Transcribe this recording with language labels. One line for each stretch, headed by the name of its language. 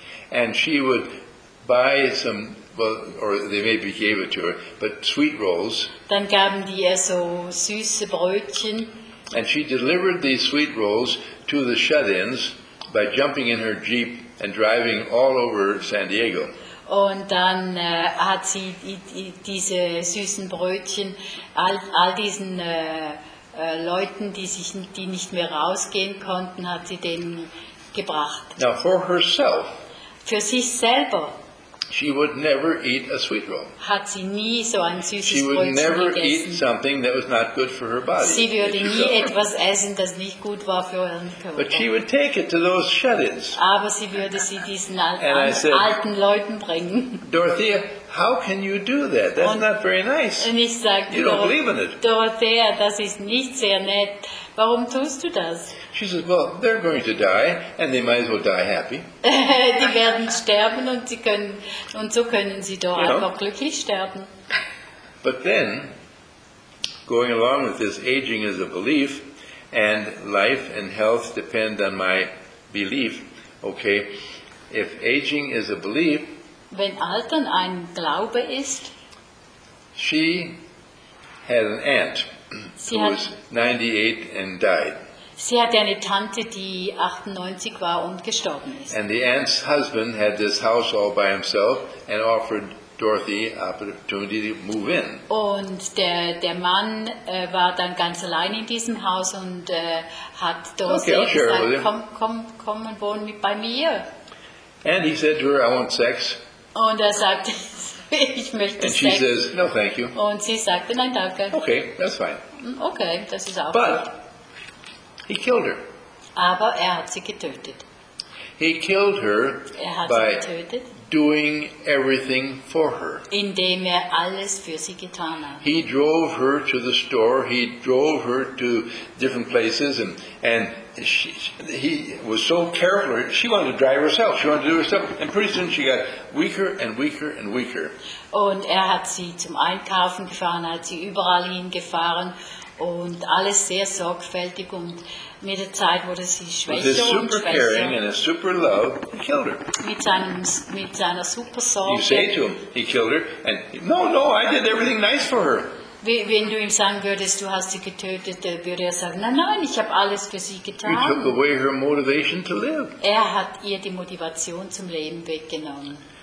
English: And she would buy some, well, or they maybe gave it to her, but sweet rolls.
German: Dann gaben die ihr so süße Brötchen.
English: And she delivered these sweet rolls to the shut-ins by jumping in her Jeep and driving all over San Diego.
German: Und dann hat sie diese süßen Brötchen all diesen Leuten, die nicht mehr rausgehen konnten, hat sie denen gebracht.
English: Now for herself,
German: für sich selber.
English: She would never eat a sweet roll.
German: Hat sie nie so ein süßes Brötchen gegessen.
English: She would never
German: gegessen.
English: Eat something that was not good for her body.
German: Sie würde nie etwas essen, das nicht gut war für ihren Körper.
English: But she would take it to those shut-ins.
German: Aber sie würde sie diesen alten Leuten bringen.
English: Dorothea, how can you do that? That's not very nice.
German: Und ich sagte,
English: you don't believe in it.
German: Dorothea, das ist nicht sehr nett. Warum tust du das?
English: She says, well, they're going to die, and they might as well die happy.
German: Die werden sterben, und so können sie einfach glücklich sterben.
English: But then, going along with this aging is a belief, and life and health depend on my belief, okay, if aging is a belief,
German: wenn Altern ein Glaube ist,
English: she had an aunt
German: sie
English: who was 98 and died.
German: Sie hatte eine Tante, die 98 war und gestorben ist.
English: And the aunt's husband had this house all by himself and offered Dorothy opportunity to move in.
German: Und der Mann war dann ganz allein in diesem Haus und hat Dorothy gesagt, komm und wohn mit bei mir.
English: And he said to her, I want sex.
German: Und er sagte, ich möchte
English: and
German: Sex.
English: And she says, no, thank you.
German: Und sie sagte, nein, danke.
English: Okay, that's fine.
German: Okay, das ist auch gut.
English: He killed her.
German: Aber er hat sie getötet.
English: He killed her by doing everything for her.
German: Indem er alles für sie getan hat.
English: He drove her to the store. He drove her to different places. And he was so careful. She wanted to drive herself. She wanted to do herself. And pretty soon she got weaker and weaker and weaker.
German: Und er hat sie zum Einkaufen gefahren. Hat sie überall hingefahren. Und alles sehr sorgfältig und mit der Zeit wurde sie schwächer und schwächer.
English: With his super caring and his super love, he killed her.
German: Mit seiner super Sorge.
English: You say to him, he killed her, and no, I did everything nice for her.
German: Wenn du ihm sagen würdest, du hast sie getötet, würde er sagen, nein, ich habe alles für sie getan.
English: He took away her motivation to live.
German: Er hat ihr die Motivation zum Leben weggenommen.